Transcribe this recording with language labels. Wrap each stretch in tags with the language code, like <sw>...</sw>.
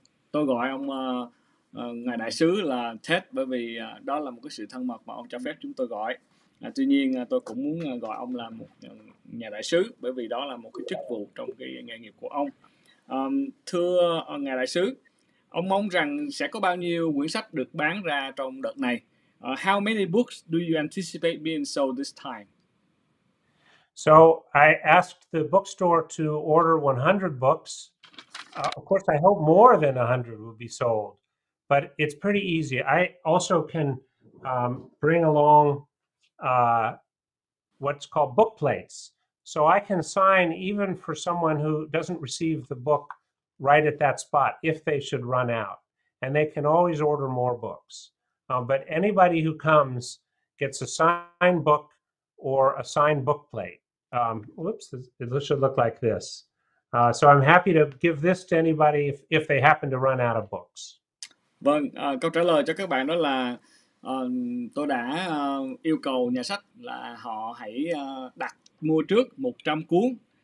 <vi>Tôi gọi ông ngài đại sứ là Ted bởi vì đó là một cái sự thân mật mà ông cho phép chúng tôi gọi. Tuy nhiên, tôi cũng muốn gọi ông là một nhà đại sứ bởi vì đó là một cái chức vụ trong cái nghề nghiệp của ông. Thưa ngài đại sứ, ông mong rằng sẽ có bao nhiêu quyển sách được bán ra trong đợt này?</vi> <en>How many books do you anticipate being sold this time? So I asked the bookstore to order 100 books. Of course, I hope more than 100 will be sold, but it's pretty easy. I also can bring along what's called book plates. So I can sign even for someone who doesn't receive the book right at that spot if they should run out. And they can always order more books. But anybody who comes gets a signed book or a signed book plate. Whoops, it should look like this. So I'm happy to give this to anybody if they happen to run out of books.</en> <vi>Vâng, câu trả lời cho các bạn đó là tôi đã yêu cầu nhà sách là họ hãy đặt mua trước 100 cuốn.</vi>